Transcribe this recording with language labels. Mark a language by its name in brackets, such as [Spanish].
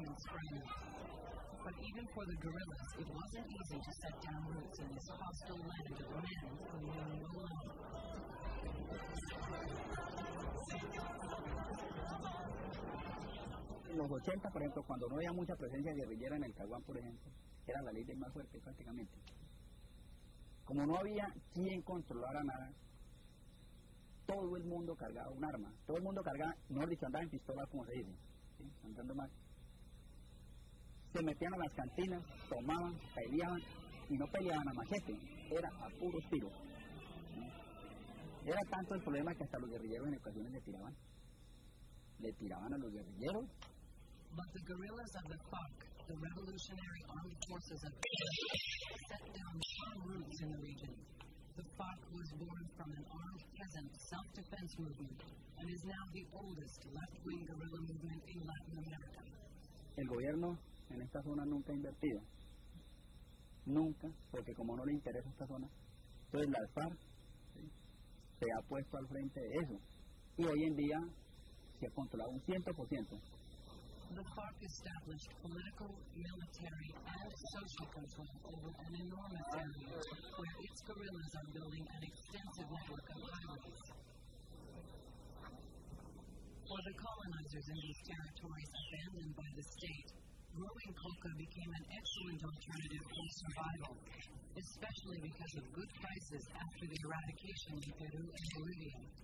[English] For the guerrillas, it wasn't easy to set down roots in this hostile land of men who knew no love. [Spanish] Los 80, por ejemplo, cuando no había mucha presencia guerrillera en el Caguán, por ejemplo, era la ley del más fuerte prácticamente. Como no había quien controlara nada, todo el mundo cargaba un arma. Todo el mundo cargaba, no dicho andaba en pistolas, como se dice, ¿sí? Andando mal. Se metían a las cantinas, tomaban, peleaban, y no peleaban a machete, era a puros tiros, ¿sí? Era tanto el problema que hasta los guerrilleros en ocasiones le tiraban. Le tiraban a los guerrilleros. [English] But the guerrillas of the FARC, the Revolutionary Armed Forces of Colombia, set down strong roots in the region. The FARC was born from an armed peasant self-defense movement and is now the oldest left-wing guerrilla movement in Latin America. [Spanish] El gobierno en esta zona nunca ha invertido. Nunca, porque como no le interesa esta zona, entonces la FARC, ¿sí?, se ha puesto al frente de eso. Y hoy en día se ha controlado un 100%. [English] The FARC established political, military, and social control over an enormous area where its guerrillas are building an extensive network of highways. For the colonizers in these territories abandoned by the state, growing coca became an excellent alternative for survival, especially because of good prices after the eradication in Peru and Bolivia.